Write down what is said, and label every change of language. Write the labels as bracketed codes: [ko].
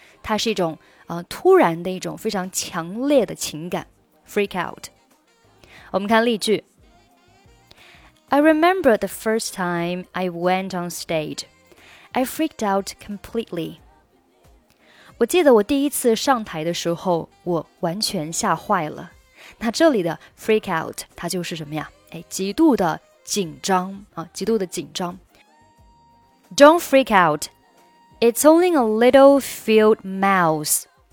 [zh] 它是一种、突然的一种非常强烈的情感。 Freak out. 我们看例句。 [en] I remember the first time I went on stage. I freaked out completely. [zh] 我记得我第一次上台的时候，我完全吓坏了。那这里的 freak out 它就是什么呀？极度的紧张啊，极度的紧张。 [en] Don't freak out. It's only a little field mouse.